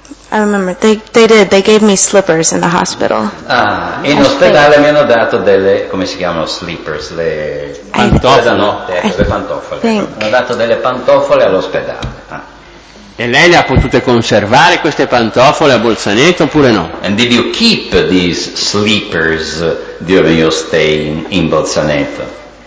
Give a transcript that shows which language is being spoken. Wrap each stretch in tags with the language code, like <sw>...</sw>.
<en>I remember they gave me slippers in the hospital.</en> <it>Ah, in ospedale mi hanno dato delle, come si chiamano, slippers, le pantofole, da notte, le pantofole.</it> <en>Think.</en> <it>Mi hanno dato delle pantofole all'ospedale. E lei le ha potute conservare queste pantofole a Bolzaneto oppure no?</it> <en>And did you keep these slippers during your stay in Bolzaneto?</en>